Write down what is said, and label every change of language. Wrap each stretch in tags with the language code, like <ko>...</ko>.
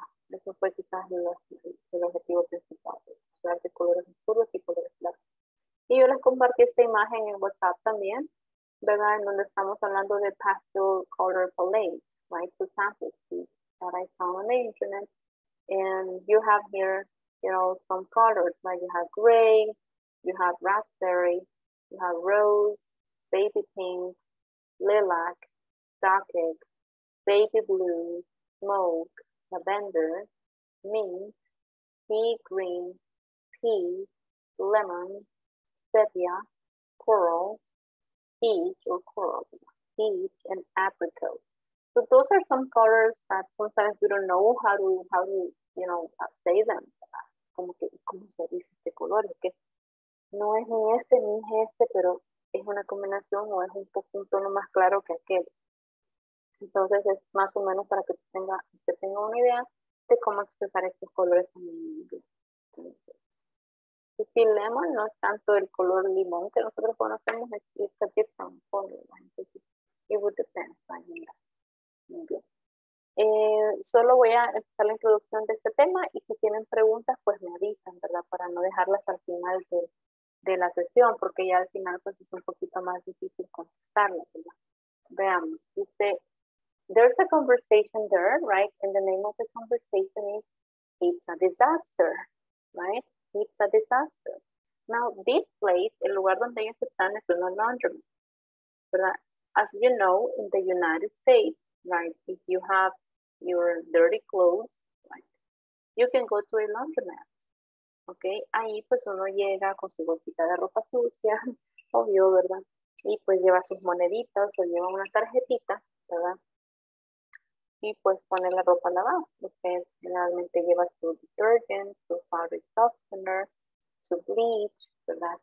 <es>Eso fue quizás el objetivo principal, hablar de colores oscuros y colores claros. Y yo les compartí esta imagen en WhatsApp también, ¿verdad? En donde estamos hablando de pastel color palette, right?</es> <en>Two samples that I found on the internet. And you have here, you know, some colors, right? You have gray, you have raspberry, you have rose, baby pink, lilac, dark egg, baby blue, smoke, lavender, mint, pea green, pea, lemon, sepia, coral, peach or coral, peach and apricot. So those are some colors that sometimes we don't know how to, you know, say them.</en> <es>Como que, ¿cómo se dice este color? Es que no es ni este ni este, pero es una combinación o es un poco un tono más claro que aquel. Entonces es más o menos para que usted tenga una idea de cómo expresar estos colores en inglés. Si lemon no es tanto el color limón que nosotros conocemos, es</es> <en>a different color. It would depend.</en> <es>Muy bien. Solo voy a empezar la introducción de este tema y si tienen preguntas, pues me avisan, ¿verdad? Para no dejarlas al final de la sesión, porque ya al final pues es un poquito más difícil contestarlas, ¿verdad? Veamos, dice,</es> <en>there's a conversation there, right? And the name of the conversation is, it's a disaster, right? It's a disaster. Now, this place,</en> <es>el lugar donde ellos están, es una laundromat, ¿verdad?</es> <en>As you know, in the United States, right, if you have your dirty clothes, right, you can go to a laundromat, okay?</en> <es>Ahí, pues, uno llega con su bolsita de ropa sucia, obvio, ¿verdad? Y, pues, lleva sus moneditas o lleva una tarjetita, ¿verdad? Y, pues, pone la ropa lavada. Usted generalmente lleva su detergente, su fabric softener, su bleach, ¿verdad?</es>